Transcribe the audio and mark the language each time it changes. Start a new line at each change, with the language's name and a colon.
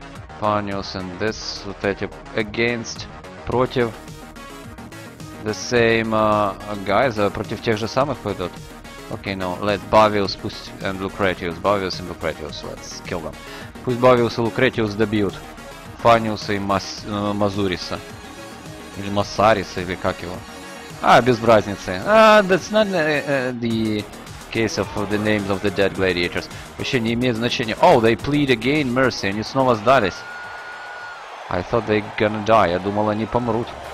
Russian: Epiphanius
English: and this
Russian: вот эти
English: against
Russian: против
English: the same guys
Russian: против тех же самых пойдут.
English: Okay, no, let Bavius
Russian: пусть
English: and Lucretius. Bavius and Lucretius, let's kill them.
Russian: Пусть Bavius и Lucretius добьют Фаниуса и Мазуриса. Или Масариса, или как его. А, без разницы.
English: That's not the case of the names of the dead gladiators.
Russian: Вообще не имеет значения.
English: Oh, they plead again mercy.
Russian: Они снова сдались.
English: I thought they gonna die.
Russian: Я думал, они помрут.